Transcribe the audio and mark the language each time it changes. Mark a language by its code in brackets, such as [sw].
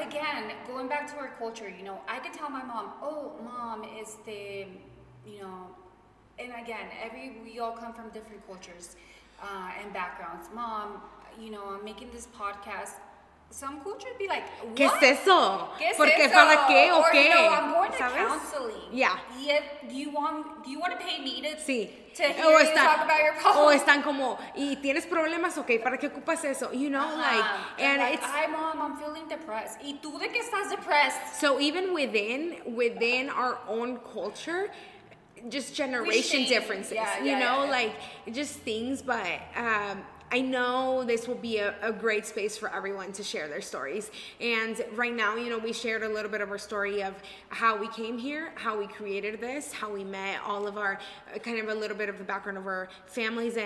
[en] Again, going back to our culture, you know, I could tell my mom, oh, mom is the, you know, and again, we all come from different cultures and backgrounds. Mom, you know, I'm making this podcast. Some culture would be like, what? [es] ¿Qué es eso? ¿Qué es eso? ¿Para qué? ¿O qué? [en] Or, you know, I'm going to counseling. Yeah. Do you want to pay me to... [es] Sí. [en] To hear you talk about your problems. [es] O están como, ¿y tienes problemas? Okay, ¿para qué ocupas eso? [en] You know, like, and like, it's... Ay, mom, I'm feeling depressed. ¿Y tú de qué estás depressed? So even within our own culture, just generation differences. Yeah, you yeah, know, yeah, yeah. Like, just things, but I know this will be a great space for everyone to share their stories. And right now, you know, we shared a little bit of our story of how we came here, how we created this, how we met, all of our kind of a little bit of the background of our families.